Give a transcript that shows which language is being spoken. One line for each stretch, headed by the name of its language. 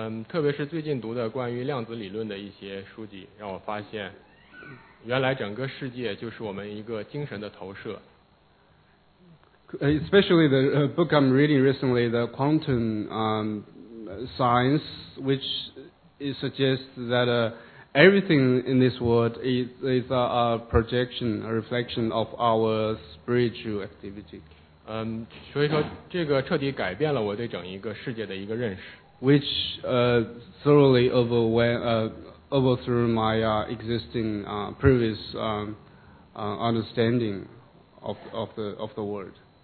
Chinese: 特别是最近读的关于量子理论的一些书籍，让我发现，原来整个世界就是我们一个精神的投射。
English: Especially the book I'm reading recently, the quantum science, which suggests that everything in this world is a projection, a reflection of our spiritual activity.
Chinese: 所以说这个彻底改变了我对整一个世界的一个认识。
English: Which thoroughly overthrew my existing previous understanding of the world.